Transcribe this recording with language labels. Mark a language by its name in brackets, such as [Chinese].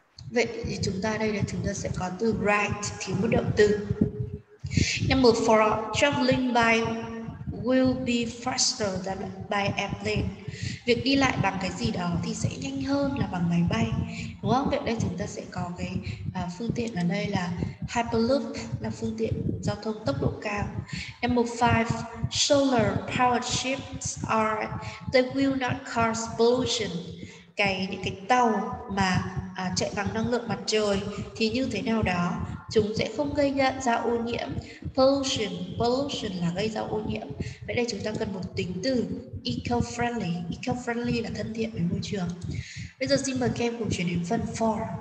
[Vietnamese] Vậy thì chúng ta đây là chúng ta sẽ có từ ride thiếu một động từ. [English] Number four, traveling by will be faster than by airplane. [Vietnamese] Việc đi lại bằng cái gì đó thì sẽ nhanh hơn là bằng máy bay, đúng không? Vậy đây chúng ta sẽ có cái phương tiện ở đây là Hyperloop, là phương tiện giao thông tốc độ cao. [English] Number five, solar powered ships are, they will not cause pollution. [Vietnamese] Những cái tàu mà chạy bằng năng lượng mặt trời thì như thế nào đó, chúng sẽ không gây ra ô nhiễm. Pollution là gây ra ô nhiễm. Vậy đây chúng ta cần một tính từ eco-friendly. Eco-friendly là thân thiện với môi trường. Bây giờ xin mời các em cùng chuyển đến phần 4.